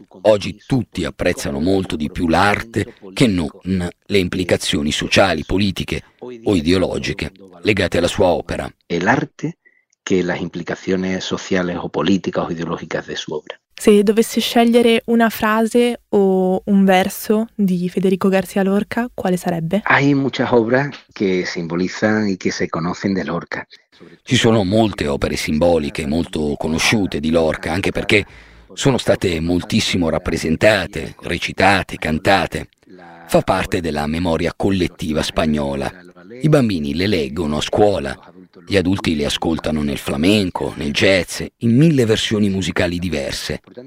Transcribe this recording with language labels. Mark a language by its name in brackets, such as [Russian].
[Italian] Oggi tutti apprezzano molto di più l'arte che non le implicazioni sociali, politiche o ideologiche legate alla sua opera. E l'arte che le implicazioni sociali o politiche o ideologiche della sua opera. Se dovesse scegliere una frase o un verso di Federico García Lorca, quale sarebbe? [Spanish] Hay muchas obras que simbolizan y que se conocen de Lorca. [Italian] Ci sono molte opere simboliche molto conosciute di Lorca, anche perché sono state moltissimo rappresentate, recitate, cantate. Fa parte della memoria collettiva spagnola. I bambini le leggono a scuola. Gli adulti le ascoltano nel flamenco, nel jazz, in mille versioni musicali diverse.